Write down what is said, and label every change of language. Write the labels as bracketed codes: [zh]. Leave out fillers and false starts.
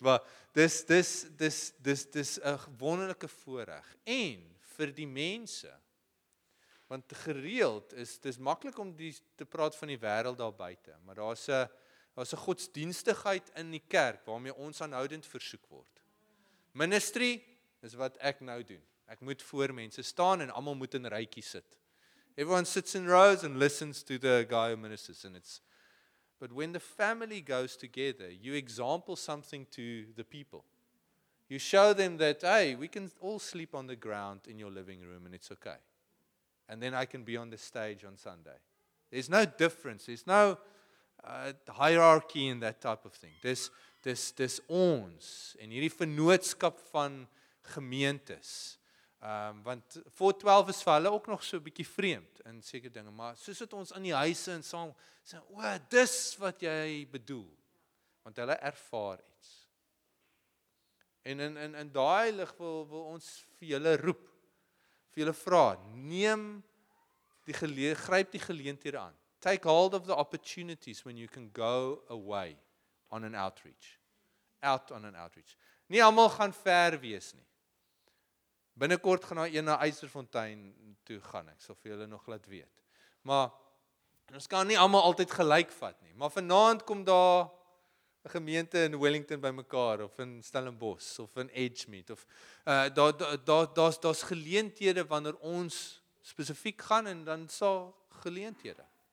[af] Maar dis 'n wonderlike voorreg. En vir die mense, want gereeld is, dis maklik om te praat van die wêreld daar buite. Maar daar's 'n godsdienstigheid in die kerk waarmee ons aanhoudend versoek word. Ministry is wat ek nou doen. Ek moet voor mense staan en almal moet in rykie sit. [en] Everyone sits in rows and listens to the guy who ministers and it's but when the family goes together, you example something to the people. You show them that hey, we can all sleep on the ground in your living room and it's okay. And then I can be on the stage on Sunday. There's no difference. There's no hierarchy and that type of thing. [af] Dis ons en hierdie vennootskap van gemeentes. Want 412 is vir hulle ook nog so 'n bietjie vreemd in sekere dinge, maar soos dit ons in die huise en saam sê, "O, dis wat jy bedoel." Want hulle ervaar iets. En in daai lig wil ons vir julle roep. Vir julle vra, neem die gryp die geleenthede aan. [en] Take hold of the opportunities when you can go away on an outreach. Out on an outreach. [af] Nie almal gaan ver wees nie. Binnekort gaan daar een na Eysterfontein toe gaan. Ek sal vir julle nog laat weet. Maar ons kan nie almal altyd gelyk vat nie. Maar vanaand kom daar 'n gemeente in Wellington by mekaar of in Stellenbosch of in Edgemead of daar's geleenthede wanneer ons spesifiek gaan en dan sal geleenthede.